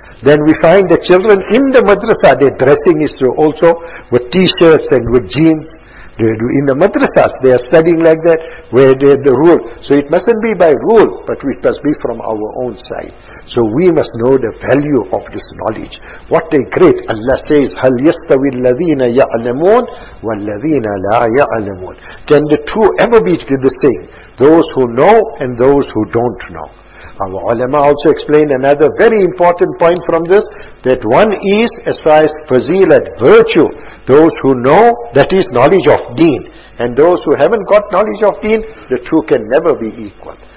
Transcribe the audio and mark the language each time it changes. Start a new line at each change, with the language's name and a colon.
English: Then we find the children in the madrasa, their dressing is also with t-shirts and with jeans. In the madrasas, they are studying like that, where they have the rule. So it mustn't be by rule, but it must be from our own side. So we must know the value of this knowledge. What a great Allah says,
Arabic: هَلْ يَسْتَوِي الَّذِينَ يَعْلَمُونَ وَالَّذِينَ لَا يَعْلَمُونَ.
English: Can the two ever be the same? Those who know and those who don't know. Our ulama also explained another very important point from this, that one is, as far as fazilat, virtue, those who know, that is knowledge of deen. And those who haven't got knowledge of deen, the two can never be equal.